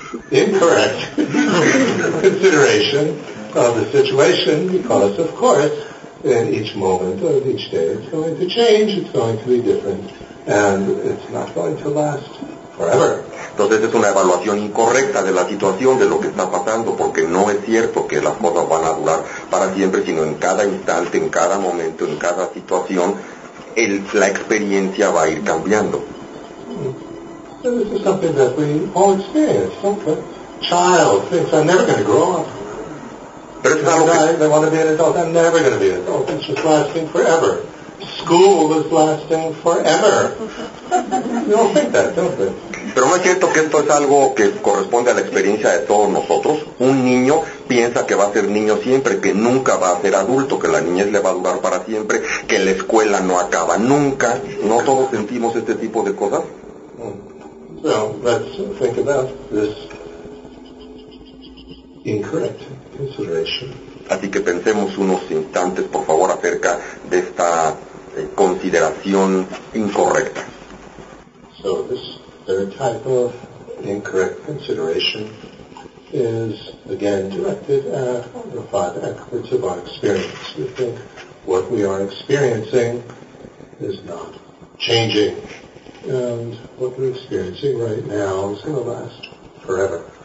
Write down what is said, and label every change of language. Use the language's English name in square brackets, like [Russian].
[English] Incorrect consideration of the situation, because of course in each moment of each day it's going to change, it's going to be different, and it's not going to last forever. [Spanish] Entonces es una evaluación incorrecta de la situación, de lo que está pasando, porque no es cierto que las cosas van a durar para siempre, sino en cada instante, en cada momento, en cada situación la experiencia va a ir cambiando. [English] This is something that we all experience. Okay. Child thinks, I'm never going to grow up. They want to be an adult. I'm never going to be an adult. It's just lasting forever. School is lasting forever. You don't think that, don't they? [Spanish] Pero no es cierto que esto es algo que corresponde a la experiencia de todos nosotros. Un niño piensa que va a ser niño siempre, que nunca va a ser adulto, que la niñez le va a durar para siempre, que la escuela no acaba nunca. ¿No todos sentimos este tipo de cosas? [English] Let's think about this incorrect consideration. [Spanish] Así que pensemos unos instantes, por favor, acerca de esta consideración incorrecta. [English] So this third type of incorrect consideration is again directed at the five aspects of our experience. We think what we are experiencing is not changing, and what we're experiencing right now is going to last forever.